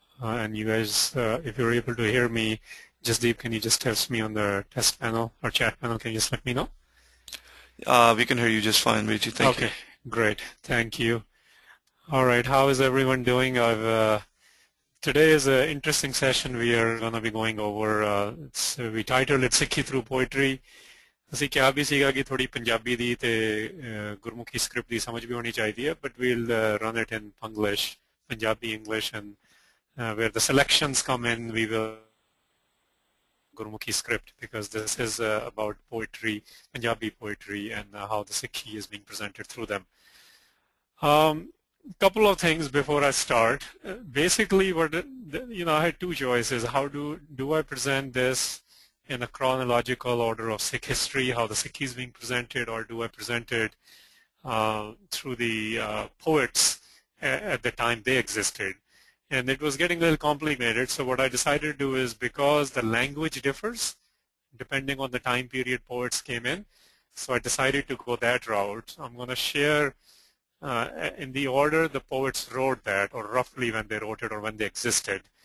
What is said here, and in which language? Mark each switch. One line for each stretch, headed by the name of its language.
English: And you guys, if you're able to hear me, Jasdeep, can you just test me on the test panel or chat panel? Can you just let me know? We can hear you just fine, Vijay. Thank you. Okay, great. Thank you. All right, how is everyone doing? Today is an interesting session. We are going to be going over, we titled it Sikhi Through Poetry.
Punjabi: ਅਸੀਂ ਕਿਹਾ ਵੀ ਸੀਗਾ ਕਿ ਥੋੜੀ ਪੰਜਾਬੀ ਦੀ ਤੇ Gurmukhi script ਦੀ ਸਮਝ ਵੀ ਹੋਣੀ ਚਾਹੀਦੀ ਹੈ
English: But we'll run it in Punglish Punjabi English and where the selections come in we will Gurmukhi script because this is about poetry Punjabi poetry and how the Sikhi is being presented through them couple of things before I start basically you know I had two choices how do I present this in a chronological order of Sikh history, how the Sikhi is being presented, or do I present it through the poets at the time they existed. And it was getting a little complicated, so what I decided to do is, because the language differs depending on the time period poets came in, so I decided to go that route. I'm going to share in the order the poets wrote that, or roughly when they wrote it or when they existed.